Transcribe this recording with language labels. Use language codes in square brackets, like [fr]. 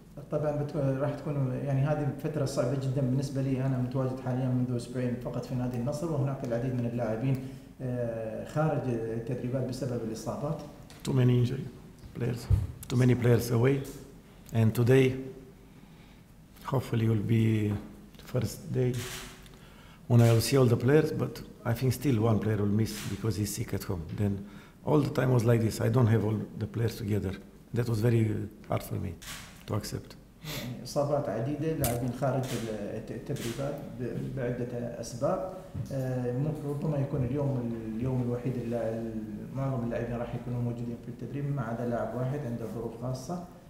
[ar] طبعا راح تكون يعني هذه فتره صعبه جدا بالنسبه لي. انا متواجد حاليا منذ اسبوعين فقط في نادي النصر، وهناك العديد من اللاعبين خارج التدريبات بسبب الاصابات. [en] Too many injury players, too many players away, and today hopefully will be the first day when I will see all the players, but I think still one player will miss because he's sick at home. Then all the time was like this, I don't have all the players together. That was very hard for me to accept. [ar] إصابات عديدة، لاعبين خارج التدريبات بعدة أسباب، ربما يكون اليوم الوحيد معظم اللاعبين راح يكونوا موجودين في التدريب ما عدا لاعب واحد عنده ظروف خاصة.